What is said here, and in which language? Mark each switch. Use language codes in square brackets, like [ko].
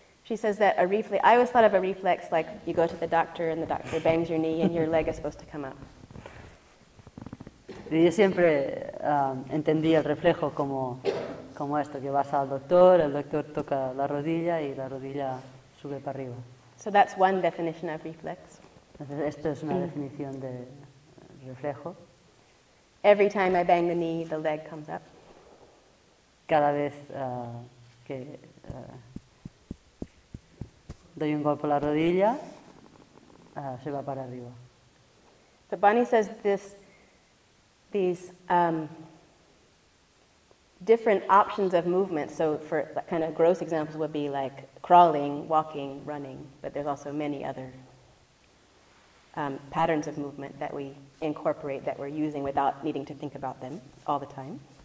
[en] She says that a reflex, I always thought of a reflex like you go to the doctor and the doctor bangs your knee and your leg is supposed to come up. [es] Y yo siempre entendí el reflejo como, como esto, que vas al doctor, el doctor toca la rodilla y la rodilla sube para arriba. [en] So that's one definition of reflex. [es] Entonces, esto es una definición de reflejo. [en] Every time I bang the knee, the leg comes up. [es] Cada vez que doy un golpe a la rodilla, se va para arriba. [en] But Bonnie says this, these different options of movement, so for kind of gross examples would be like crawling, walking, running, but there's also many other patterns of movement that we incorporate that we're using without needing to think about them all the time.